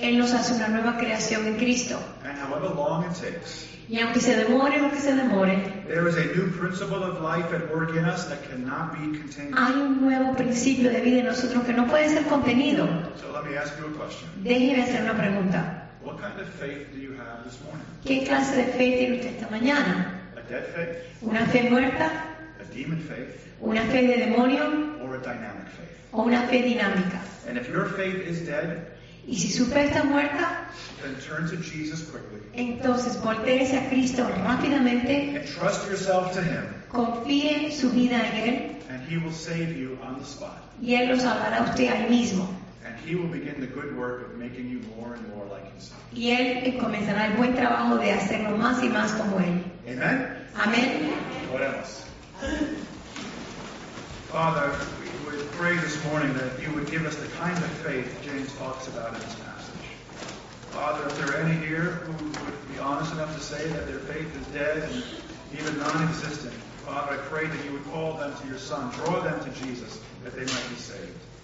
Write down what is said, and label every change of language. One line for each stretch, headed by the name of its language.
Spanish: Él nos hace una nueva creación en Cristo.
English: And however long it takes,
Spanish: y aunque se demore lo que se demore,
English: there is a new principle of life at work in us that cannot be contained.
Spanish: Hay un nuevo principio de vida en nosotros que no puede ser contenido.
English: So let me ask you a question.
Spanish: Déjeme hacer una pregunta.
English: What kind of faith do you have this morning?
Spanish: ¿Qué clase de fe tiene usted esta mañana?
English: A dead faith?
Spanish: ¿Una fe muerta?
English: A demon faith?
Spanish: ¿Una fe de demonio?
English: Or a dynamic faith?
Spanish: ¿O una fe dinámica?
English: And if your faith is dead,
Spanish: y si su fe está muerta,
English: then turn to Jesus quickly.
Spanish: Entonces voltéese a Cristo rápidamente.
English: And trust yourself to him.
Spanish: Confíe su vida en él.
English: And he will save you on the spot.
Spanish: Y él lo salvará a usted ahí mismo.
English: And he will begin the good work of making you more and more like himself.
Spanish: Y él comenzará el buen trabajo de hacerlo más y más como él.
English: Amen.
Spanish: Amen.
English: What else? Father, we pray this morning that you would give us the kind of faith James talks about in this passage. Father, if there are any here who would be honest enough to say that their faith is dead and even non-existent, Father, I pray that you would call them to your Son, draw them to Jesus, that they might be saved.